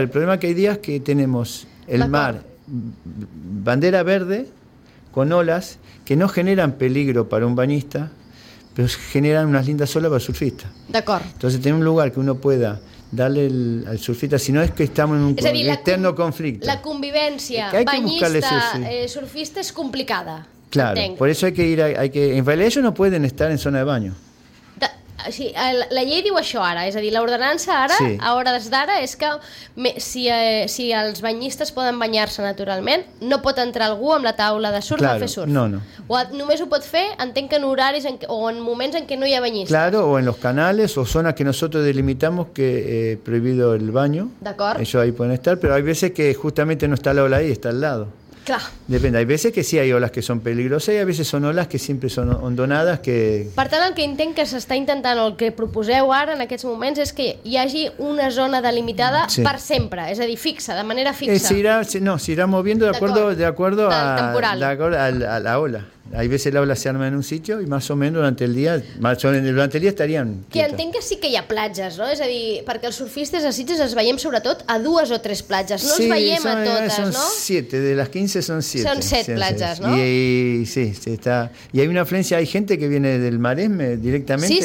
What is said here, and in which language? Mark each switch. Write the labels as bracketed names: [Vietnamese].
[Spanish] El problema es que hay días que tenemos el mar, bandera verde con olas, que no generan peligro para un bañista, pero generan unas lindas olas para el surfista. De acuerdo. Entonces, tener un lugar que uno pueda darle al surfista, si no es que estamos en un eterno conflicto. La convivencia bañista-surfista es complicada. Claro, por eso hay que ir... En realidad, ellos no pueden estar en zona de baño. [Catalan] Sí, la llei diu això ara, és a dir, l'ordenança ara, sí, a hores d'ara, és que si els banyistes poden banyar-se naturalment, no pot entrar algú amb la taula de surf, [Spanish] claro, [Catalan] a fer surf. No. Només ho pot fer, entenc que en horaris o en moments en què no hi ha banyistes. [Spanish] Claro, o en los canales o zonas que nosotros delimitamos que he prohibido el baño. [Catalan] D'acord. [Spanish] Ellos ahí pueden estar, pero hay veces que justamente no está la ola ahí, está al lado. [Catalan] Clar. [Spanish] Depende, hay veces que sí hay olas que son peligrosas y a veces son olas que siempre son ondonadas que... [Catalan] Per tant, el que entenc que s'està intentant o el que proposeu ara en aquests moments és que hi hagi una zona delimitada, sí, per sempre, és a dir, fixa, de manera fixa. [Spanish] Se irá moviendo de acuerdo a la ola. Hay veces la ola se arma en un sitio y más o menos durante el día estarían quietas. [Catalan] Que entenc que sí que hi ha platges, no? És a dir, perquè els surfistes a Sitges els veiem sobretot a dues o tres platges, no, sí, els veiem a totes, [Spanish] son, [Catalan] no? [Spanish] Sí, siete, [Catalan] de les 15 [Spanish] son siete. [Catalan] Son set platges, no? [Spanish] Y hay una afluencia, hay gente que viene del Maresme directamente.